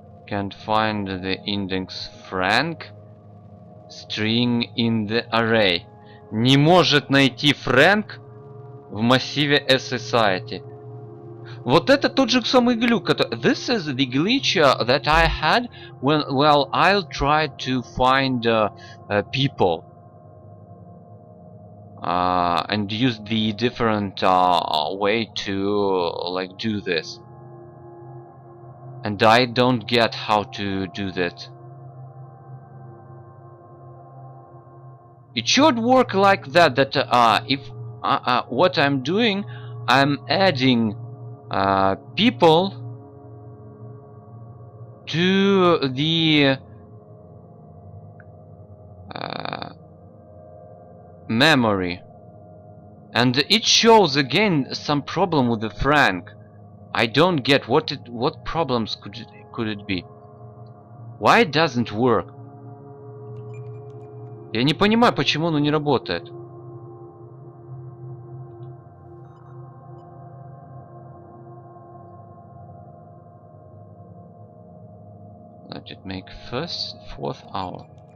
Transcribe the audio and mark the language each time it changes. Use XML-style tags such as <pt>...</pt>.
<en>Can't find the index Frank string in the array.</en> <ru>Не может найти Frank в массиве society. Вот это тот же самый глюк, который...</ru> <en>This is the glitch that I had when... Well, I'll try to find people. And use the different way to like do this. And I don't get how to do that. It should work like that, that if what I'm doing, I'm adding people to the memory. And it shows again some problem with the Frank. I don't get what problems could it be? Why it doesn't work?</en> <ru>Я не понимаю, почему оно не работает.</ru> <en>Let it make first fourth hour.</en>